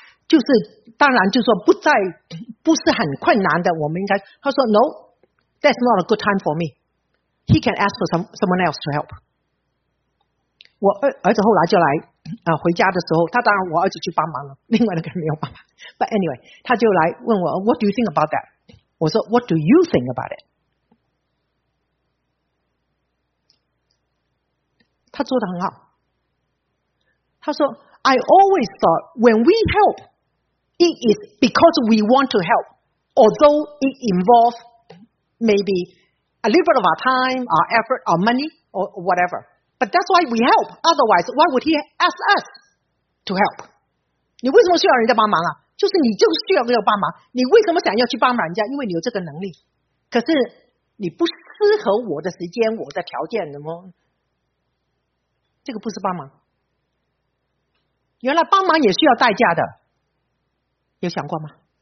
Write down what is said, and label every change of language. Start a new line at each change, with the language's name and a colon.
Chinese: 就是当然就是说不是很困难的，我们应该，他说
English: No, that's not a good time for me. He can ask for someone else to help.
Chinese: 我儿子后来就来回家的时候，他当然我儿子去帮忙了，另外那个没有帮忙。
English: But anyway,
Chinese: 他就来问我
English: What do you think about that?
Chinese: 我说
English: What do you think about it?
Chinese: 他做得很好。他说
English: I always thought when we helpIt is because we want to help, although it involves maybe a little bit of our time, our effort, our money, or whatever. But that's why we help. Otherwise, why would he ask us to help?
Chinese: 你为什么需要人家帮忙啊？就是你就是需要人家帮忙。你为什么想要去帮忙人家？因为你有这个能力。可是你不适合我的时间，我的条件，怎么？这个不是帮忙。原来帮忙也需要代价的。有想过吗？